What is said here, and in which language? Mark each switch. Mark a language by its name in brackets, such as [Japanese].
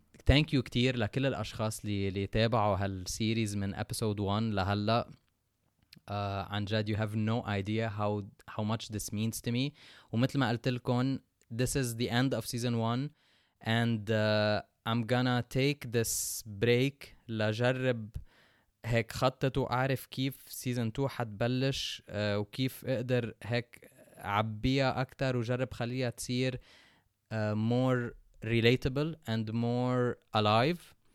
[English] Thank you [Arabic] كتير لكل الأشخاص اللي تابعوا هالسيريز من episode 1 لهلا. عن جد, [English] you have no idea how much this means to me. [Arabic] ومثل ما قلت لكم, [English] this is the end of season 1 and I'm gonna take this break [Arabic] لجرب هيك خطط وأعرف كيف [English] season 2 [Arabic] حتبلش وكيف أقدر هيك عبيها أكتر وجرب خليها تصير [English] more relatable and more alive.